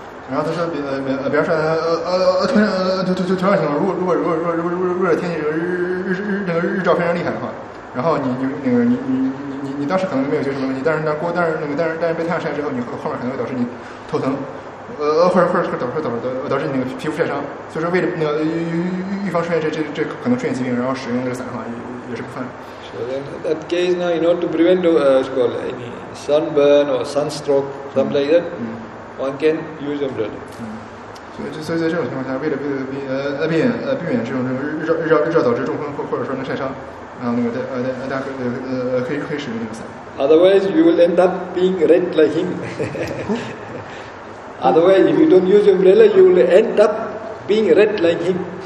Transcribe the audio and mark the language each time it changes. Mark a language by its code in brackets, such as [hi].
[zh] 然后他说比方说同样情况，如果热天气日照非常厉害的话，然后你当时可能没有觉得什么问题，但是被太阳晒之后，你后面可能会导致你头疼，或者导致你那个皮肤晒伤，所以说为了那个预防出现这可能出现疾病，然后使用这个伞的话也是不犯。 [en] So then, in that case now, in order to prevent any sunburn or sunstroke, something like that. One can use umbrella. [zh] 所以在这种情况下，为了避免这种日照导致中风或者说能晒伤，然后那个可以使用那个伞。 [en] Otherwise, you will end up being red like him. Otherwise, if you don't use umbrella, you will end up being red like him.